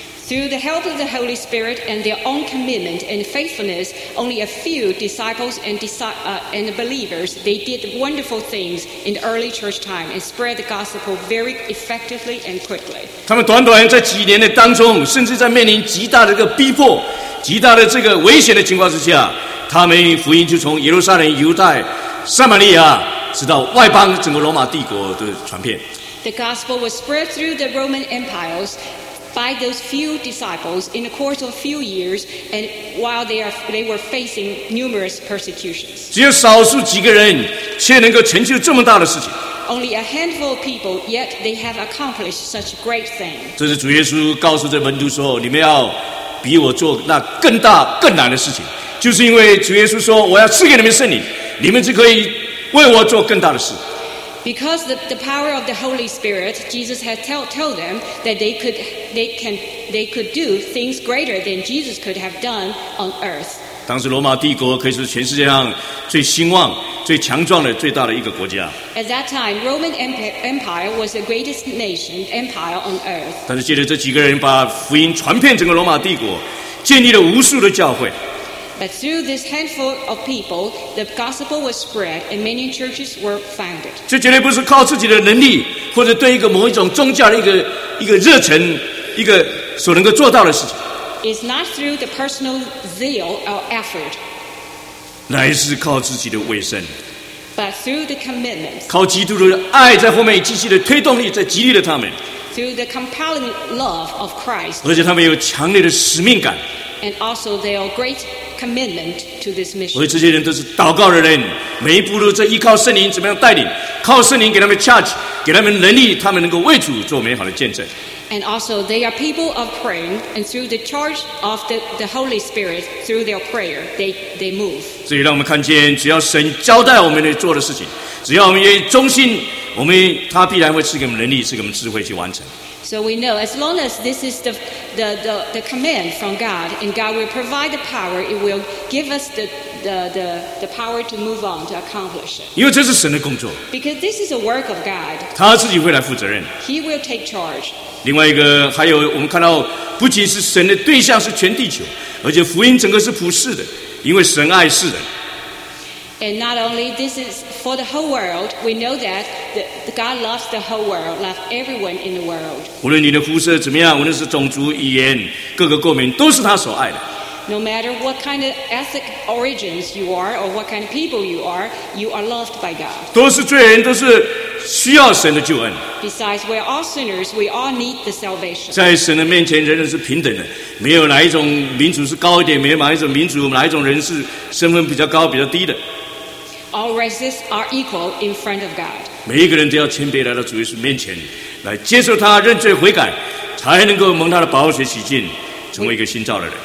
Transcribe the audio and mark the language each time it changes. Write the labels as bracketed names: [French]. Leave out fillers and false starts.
[English] Through the help of the Holy Spirit and their own commitment and faithfulness, only a few disciples and believers, they did wonderful things in the early church time and spread the gospel very effectively and quickly. [Chinese] 他们短短在几年的当中，甚至在面临极大的一个逼迫、极大的这个危险的情况之下，他们福音就从耶路撒冷、犹太、撒玛利亚，直到外邦整个罗马帝国的传遍。 [English] The gospel was spread through the Roman empires. By those few disciples in the course of a few years, and while they were facing numerous persecutions. [Chinese] 只有少数几个人却能够成就这么大的事情。 [English] Only a handful of people, yet they have accomplished such great things. [Chinese] 这是主耶稣告诉这门徒说，你们要比我做那更大更难的事情，就是因为主耶稣说，我要赐给你们圣灵，你们就可以为我做更大的事。 [English] Because the power of the Holy Spirit, Jesus had told them that they could do things greater than Jesus could have done on earth. [Chinese] 当时罗马帝国可以是全世界上最兴旺、最强壮的、最大的一个国家。 [English] At that time, Roman Empire was the greatest nation empire on earth. [Chinese] 但是借着这几个人把福音传遍整个罗马帝国，建立了无数的教会。 [English] But through this handful of people, the gospel was spread and many churches were founded. [Chinese] 这绝对不是靠自己的能力或者对一个某一种宗教的一个热忱一个所能够做到的事情。 [English] It's not through the personal zeal or effort. [Chinese] 乃是靠自己的委身。 [English] But through the commitment. [Chinese] 靠基督的爱在后面积极的推动力在激励了他们。 [English] Through the compelling love of Christ. [Chinese] 而且他们有强烈的使命感。 [English] And also they are great commitment to this mission. [Chinese] 所以这些人都是祷告的人，每一步都在依靠圣灵，怎么样带领？靠圣灵给他们 charge， 给他们能力，他们能够为主做美好的见证。 [English] And also they are people of praying, and through the charge of the Holy Spirit, through their prayer, they move. [Chinese] 所以让我们看见，只要神交代我们来做的事情，只要我们愿意忠心，我们他必然会赐给我们能力，赐给我们智慧去完成。 [English] So we know as long as this is the command from God and God will provide the power, it will give us the power to move on to accomplish it. [Chinese] 因为这是神的工作。 [English] Because this is a work of God. [Chinese] 他自己会来负责任。 [English] He will take charge. [Chinese] 另外一个还有我们看到不仅是神的对象是全地球，而且福音整个是普世的，因为神爱世人。 [English] And not only this is for the whole world, we know that God loves the whole world, loves everyone in the world. [Chinese] 无论你的肤色怎么样，无论是种族、语言、各个国民，都是他所爱的。 [English] No matter what kind of ethnic origins you are, or what kind of people you are loved by God. [Chinese] 都是罪人，都是需要神的救恩。 [English] Besides, we are all sinners, we all need the salvation. [Chinese] 在神的面前，人人是平等的，没有哪一种民族是高一点，没有哪一种民族，哪一种人是身份比较高、比较低的。 [English] All races are equal in front of God. [Chinese] 每一个人都要谦卑来到主耶稣面前，来接受他认罪悔改，才能够蒙他的宝血洗净，成为一个新造的人。